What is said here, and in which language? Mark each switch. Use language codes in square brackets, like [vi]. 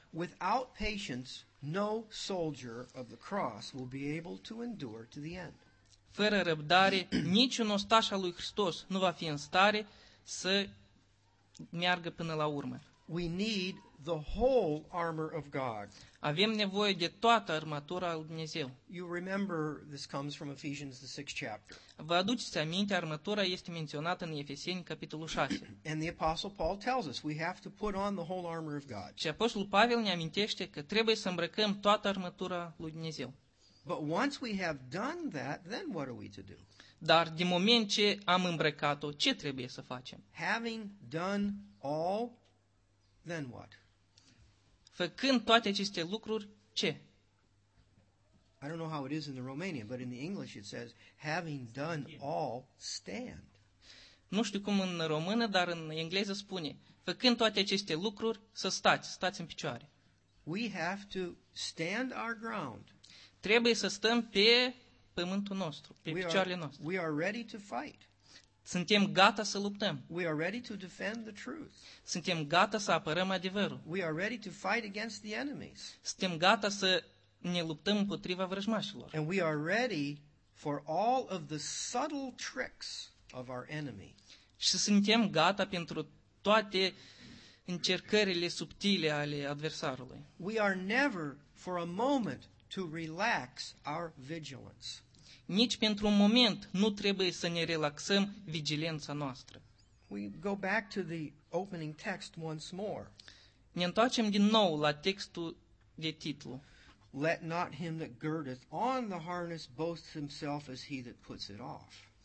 [en] Without patience, no soldier of the cross will be able to endure to the end. [ro] Fără răbdare, niciun ostaș al lui Hristos nu va fi în stare să meargă până la urmă. [en] We need the whole armor of God. [ro] Avem nevoie de toată armatura lui Dumnezeu. [en] You remember this comes from Ephesians the 6th chapter. [ro] Vă aduceți aminte, armatura este menționată în Efeseni capitolul 6. [en] And the apostle Paul tells us we have to put on the whole armor of God. [ro] Și apostolul Pavel ne amintește că trebuie să îmbrăcăm toată armatura lui Dumnezeu. [en] But once we have done that, then what are we to do? [ro] Dar din moment ce am îmbrăcat-o, ce trebuie să facem? [en] Having done all, then what? [ro] Făcând toate aceste lucruri, ce? [en] I don't know how it is in the Romanian, but in the English it says, having done all, stand. [ro] Nu știu cum în română, dar în engleză spune, făcând toate aceste lucruri, să stați în picioare. [en] We have to stand our ground. [ro] Trebuie să stăm pe pământul nostru, pe picioarele noastre. [en] We are ready to fight. [ro] Suntem gata să luptăm. [en] We are ready to defend the truth. [ro] Suntem gata să apărăm adevărul. [en] We are ready to fight against the enemies. [ro] Suntem gata să ne luptăm împotriva vrăjmașilor. [en] And we are ready for all of the subtle tricks of our enemy. [ro] Și suntem gata pentru toate încercările subtile ale adversarului. [en] We are never for a moment to relax our vigilance. [ro] Nici pentru un moment nu trebuie să ne relaxăm vigilența noastră. [en] We go back to the opening text once more. [ro] Ne întoarcem din nou la textul de titlu. [en] Let not him that girdeth on the harness boast himself as he that puts it off.